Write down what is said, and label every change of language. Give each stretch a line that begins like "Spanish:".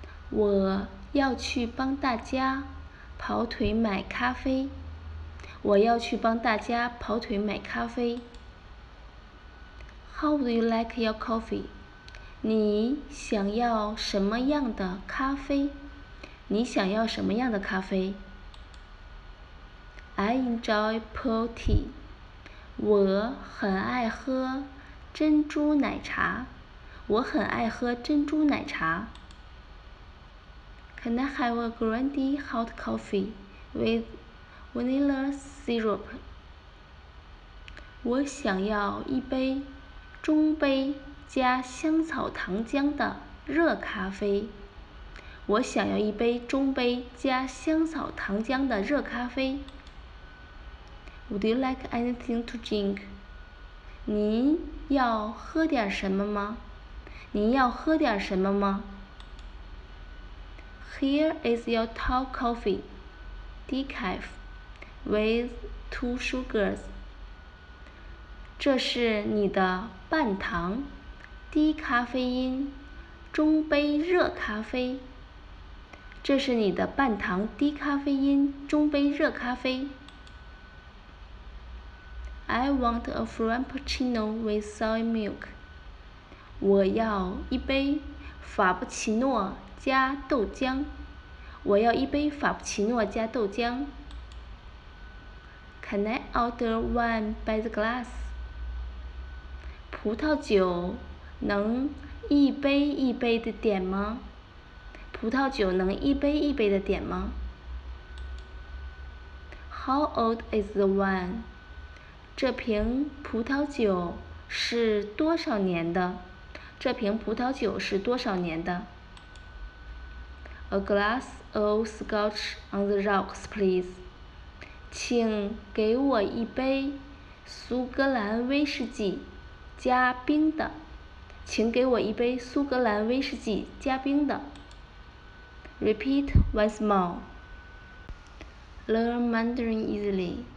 Chinese: 我要去帮大家跑腿买咖啡。我要去帮大家跑腿买咖啡。
English: How do you like your coffee?
Chinese: 你想要什么样的咖啡？你想要什么样的咖啡？
English: I enjoy pearl tea.
Chinese: 我很爱喝珍珠奶茶。我很爱喝珍珠奶茶。
English: Can I have a grande hot coffee with vanilla syrup?
Chinese: 我想要一杯中杯加香草糖浆的热咖啡。我想要一杯中杯加香草糖浆的热咖啡。
English: Would you like anything to drink?
Chinese: 你要喝点什么吗？你要喝点什么吗？
English: Here is your tall coffee, decaf, with 2 sugars.
Chinese: 这是你的半糖、低咖啡因、中杯热咖啡。这是你的半糖、低咖啡因、中杯热咖啡。
English: I want a frappuccino with soy milk.
Chinese: 我要一杯法布奇诺加豆浆。我要一杯法布奇诺加豆浆。
English: Can I order one by the glass?
Chinese: 葡萄酒能一杯一杯的点吗？葡萄酒能一杯一杯的点吗？
English: How old is the wine?
Chinese: 这瓶葡萄酒是多少年的？这瓶葡萄酒是多少年的 ？
English: A glass of Scotch on the rocks, please.
Chinese: 请给我一杯苏格兰威士忌加冰的。请给我一杯苏格兰威士忌加冰的。
English: Repeat once more. Learn Mandarin easily.